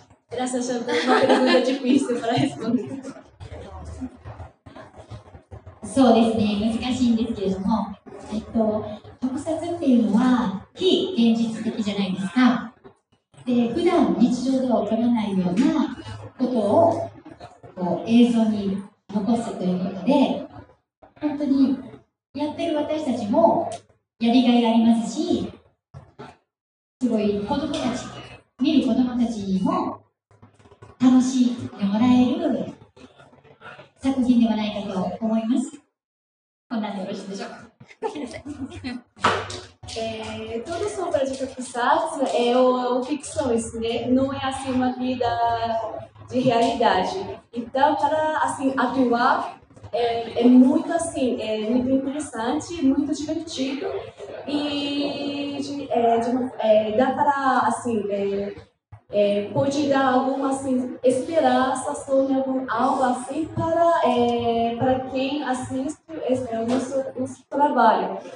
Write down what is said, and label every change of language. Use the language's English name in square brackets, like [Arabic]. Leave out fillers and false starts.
[Portuguese] Essa é uma pergunta difícil para responder. [Japanese] そうですね、難しいんですけれども。特撮っていうのは非現実的じゃないですか。で、普段日常では起こらないようなことをこう映像に残すということで、本当にやってる私たちもやりがいがありますし、すごい子供たち、見る子供たちにも楽しんでもらえる作品ではないかと思います。こんなんでよろしいでしょうか。 [Portuguese] Todas as obras de Tokusatsu é ficção, isso, né? Não é assim uma vida de realidade. Então, para assim, atuar é muito assim, é muito interessante, muito divertido e dá para assim, pode dar alguma assim, esperança, sonho, algo assim para quem assiste o nosso trabalho.